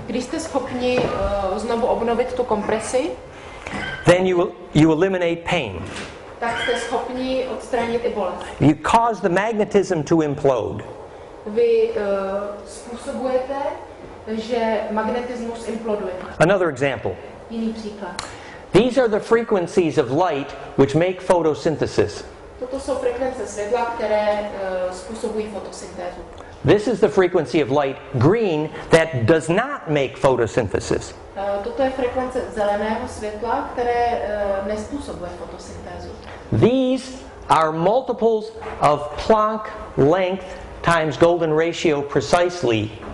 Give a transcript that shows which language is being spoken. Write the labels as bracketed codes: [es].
[cs] když jste schopni znovu obnovit tu kompresi, [en] then you eliminate pain. [cs] Tak jste schopni odstranit i bolest. [en] You cause the magnetism to implode. [cs] Vy způsobujete, že magnetismus imploduje. [en] Another example. [cs] Jiný příklad. [en] These are the frequencies of light which make photosynthesis. [cs] Toto jsou frekvence světla, které způsobují fotosyntézu. [en] This is the frequency of light, green, that does not make photosynthesis. [cs] Toto je frekvence zeleného světla, které nespůsobuje fotosyntézu. [en] These are multiples of Planck length times golden ratio precisely.